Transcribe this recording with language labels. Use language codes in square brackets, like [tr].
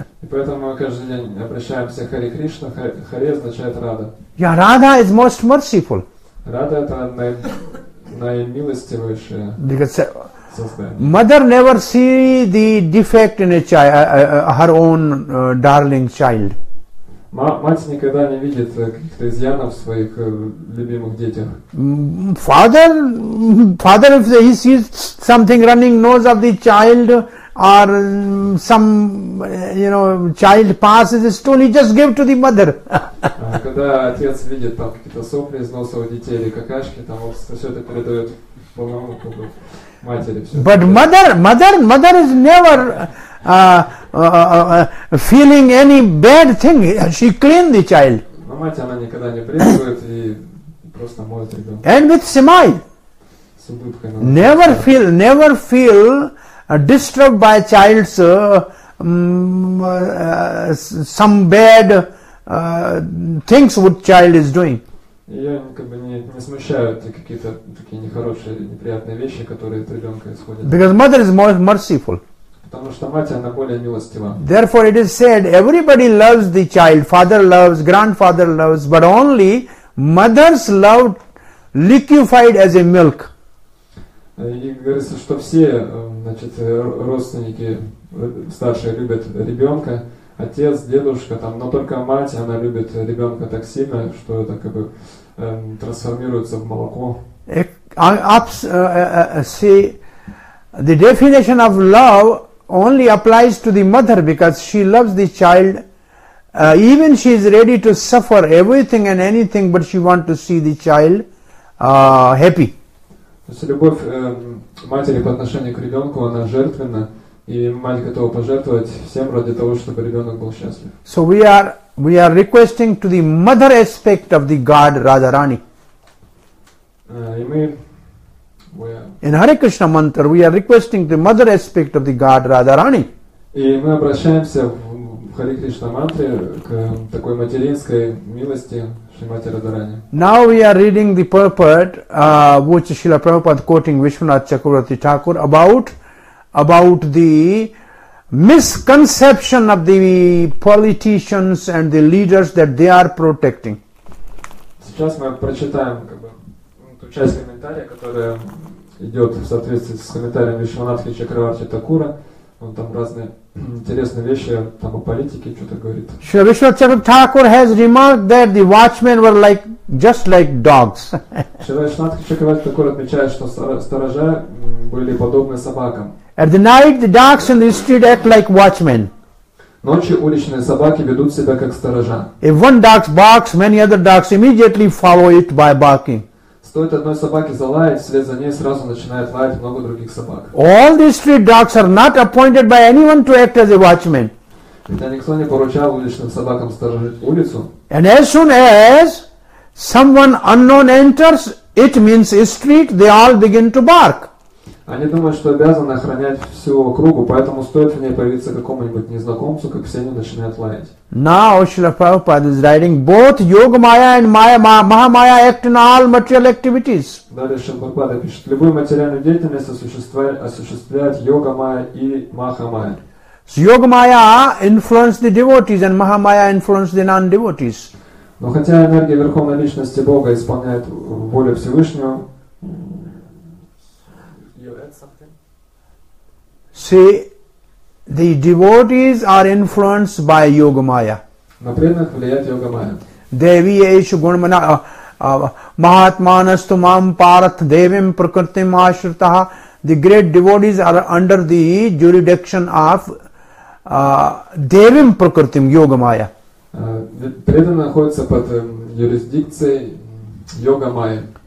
[ru] Поэтому мы каждый день обращаемся к Харе Кришна, Харе означает Рада. [en] Yeah, Radha is most merciful. [ru] Рада это наимилостивейшее создание. [en] Mother never see the defect in her own darling child. [ru] Мать никогда не видит каких-то изъянов в своих любимых детях. [en] Father, if he sees something running nose of the child or some, you know, child passes a stone, he just gives to the mother. [ru] Когда отец видит там какие-то сопли из носа у детей или какашки, там все это передает по новому кругу. [en] But mother is never feeling any bad thing. She clean the child. [ru] Мать она никогда не приходит и просто моет ребенка. [en] And with smile. Never feel disturbed by child's some bad things what child is doing. [ru] Ее как бы не смущают какие-то такие нехорошие, неприятные вещи, которые от ребенка исходят. [en] Because mother is more merciful. [ru] Потому что мать, она более милостива. [en] Therefore it is said, everybody loves the child, father loves, grandfather loves, but only mother's love liquefied as a milk. [ru] И говорится, что все, значит, родственники старшие любят ребенка, отец, дедушка, там, но только мать, она любит ребенка так сильно, что это как бы трансформируется в молоко. [en] The definition of love only applies to the mother because she loves the child. Even she is ready to suffer everything and anything, but she wants to see the child happy. [ru] То есть любовь матери по отношению к ребенку, она жертвенна. И мать готова пожертвовать всем ради того, чтобы ребенок был счастлив. [en] So we are requesting to the mother aspect of the God Radharani. In Hare Krishna mantra, we are requesting the mother aspect of the God Radharani. [ru] И мы обращаемся в Hare Krishna mantra к такой материнской милости Шримати Радхарани. [en] Now we are reading the purport which Srila Prabhupada quoting Vishwanath Chakravarti Thakur about the misconception of the politicians and the leaders that they are protecting. [ru] Сейчас мы прочитаем как бы ту часть комментария, которая идет в соответствии с комментарием Вишванатхи Чакраварти Такура. Он там разные интересные вещи там о политике что-то говорит. [en] Sure, Vishwanath Chakravarti Thakur has remarked that the watchmen were like just like dogs. [ru] Vishwanath Chakravarti Thakur отмечает, что сторожа были подобны собакам. [en] At the night, the dogs in the street act like watchmen. [ru] Ночью уличные собаки ведут себя как сторожа. [en] If one dog barks, many other dogs immediately follow it by barking. [ru] Стоит одной собаке залаять, вслед за ней сразу начинает лаять много других собак. [en] All the street dogs are not appointed by anyone to act as a watchman. [ru] Хотя никто не поручал уличным собакам сторожить улицу. [en] And as soon as someone unknown enters, it means a street, they all begin to bark. [ru] Они думают, что обязаны охранять всю округу, поэтому стоит в ней появиться какому-нибудь незнакомцу, как все они начинают лаять. [en] Now Srila Prabhupada is writing, both Yoga Maya and Maya Mahamaya act in all material activities. [ru] Далее Шрила Прабхупада пишет, любую материальную деятельность осуществляет Йога Майя и Махамая. [en] So Yoga Maya influence the devotees and Mahamaya influence the non-devotees. [ru] Но хотя энергия Верховной Личности Бога исполняет волю Всевышнего, [en] see, the devotees are influenced by Yoga Maya. [sa] Devi Eshu Gunmana Mahatmanastumam Parath Devim Prakritim Ashrutaha. [en] The great devotees are under the jurisdiction of Devim Prakritim Yoga Maya. [ru] Преданные находятся под юрисдикцией Yoga Maya.